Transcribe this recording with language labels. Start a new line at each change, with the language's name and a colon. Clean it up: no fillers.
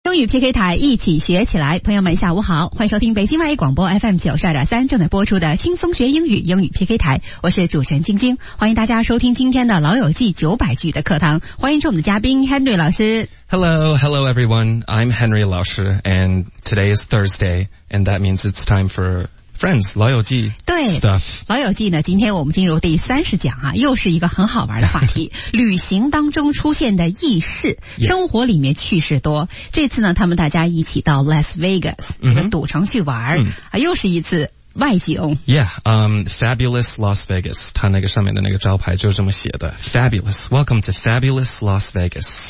Chinese: 英语 PK 台一起学起来，朋友们下午好，欢迎收听北京外语广播 FM92.3 正在播出的轻松学英语英语 PK 台，我是主持人晶晶，欢迎大家收听今天的老友记900句的课堂，欢迎是我们的嘉宾 Henry 老师。
English: Hello everyone, I'm Henry 老师 and today is Thursday and that means it's time for Friends, 老友记
Chinese: 对 老友记呢今天我们进入第30讲啊又是一个很好玩的话题旅行当中出现的轶事、
English: yeah.
Chinese: 生活里面趣事多这次呢他们大家一起到 Las Vegas、
English: mm-hmm.
Chinese: 这个赌城去玩、
English: mm-hmm.
Chinese: 啊、又是一次外景
English: Yeah, Fabulous Las Vegas
Chinese: 他那个上面的那个招牌就这么写的
English: Fabulous, welcome to Fabulous Las Vegas